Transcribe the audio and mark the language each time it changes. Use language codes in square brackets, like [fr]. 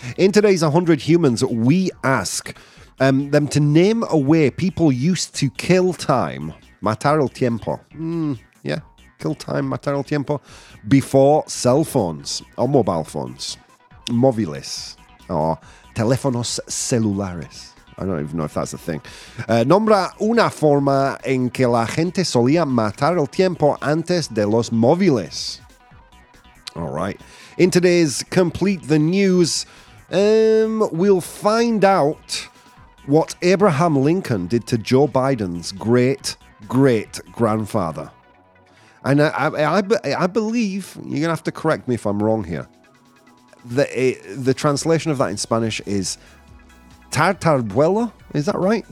[en] In today's 100 Humans, we ask them to name a way people used to kill time. [es] Matar el tiempo. [en] Yeah, kill time, [es] matar el tiempo. [en] Before cell phones or mobile phones. [es] Móviles or teléfonos celulares. [en] I don't even know if that's a thing. [es] Nombra una forma en que la gente solía matar el tiempo antes de los móviles. [en] All right. In today's Complete the News, we'll find out what Abraham Lincoln did to Joe Biden's great-great-grandfather. And I believe, you're going to have to correct me if I'm wrong here, that the translation of that in Spanish is Tartarbuelo, is that right?